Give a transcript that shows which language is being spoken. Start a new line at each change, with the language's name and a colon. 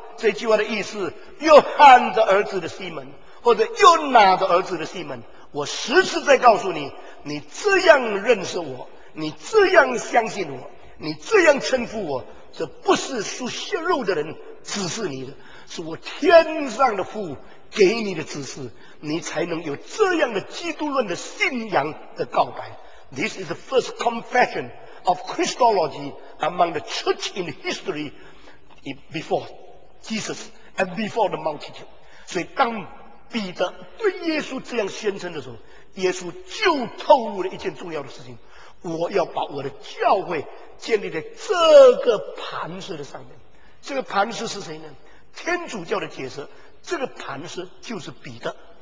Chinese: 这句话的意思，约翰的儿子的西门，或者又拿的儿子的西门，我实实在告诉你，你这样认识我，你这样相信我，你这样称呼我，这不是属血肉的人指示你的，是我天上的父给你的指示，你才能有这样的基督论的信仰的告白。
English: This is the first confession of Christology among the church in history before Jesus and before the multitude.
Chinese: 所以当彼得对耶稣这样宣称的时候，耶稣就透露了一件重要的事情：我要把我的教会建立在这个磐石的上面。这个磐石是谁呢？天主教的解释，这个磐石就是彼得。